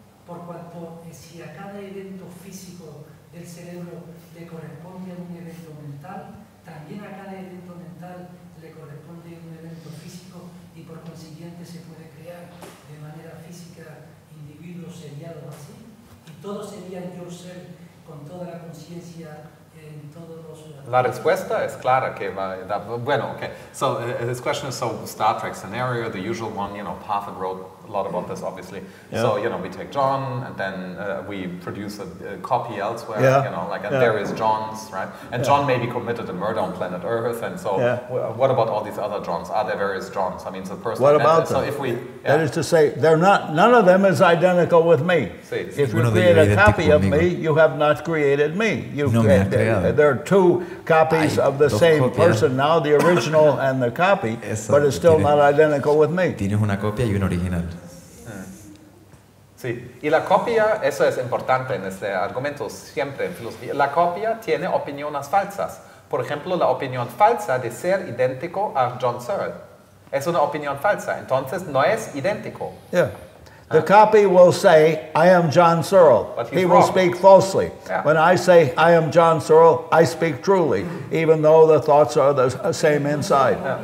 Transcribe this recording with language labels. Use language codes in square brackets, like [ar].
[es] por cuanto si a cada evento físico del cerebro le corresponde a un evento mental, también a cada evento mental le corresponde un evento físico y por consiguiente se puede crear de manera física individuos seriados así y todos serían yo ser con toda la conciencia en todos los... La respuesta es clara que va... Bueno, okay. [en] So this question is so Star Trek scenario, the usual one, you know, Parfit wrote a lot about this, obviously. Yeah. So, you know, we take John, and then we produce a copy elsewhere, yeah. You know, like, and yeah. There is John's, right? And yeah. John maybe committed a murder on planet Earth, and so yeah. What about all these other Johns? Are there various Johns? I mean, so the person... What about them? So if we, yeah. That is to say, they're not. None of them is identical with me. [es] Sí, [en] if you create a copy of me, you have not created me. There are two copies of the same person, now the original and the copy, but it's still not identical with me. [es] Tienes una copia y una original. Sí, y la copia, eso es importante en este argumento siempre en filosofía, la copia tiene opiniones falsas. Por ejemplo, la opinión falsa de ser idéntico a John Searle. Es una opinión falsa, entonces no es idéntico. [en] Yeah. The copy will say, I am John Searle. But he's he will wrong. Speak falsely. Yeah. When I say, I am John Searle, I speak truly, even though the thoughts are the same inside.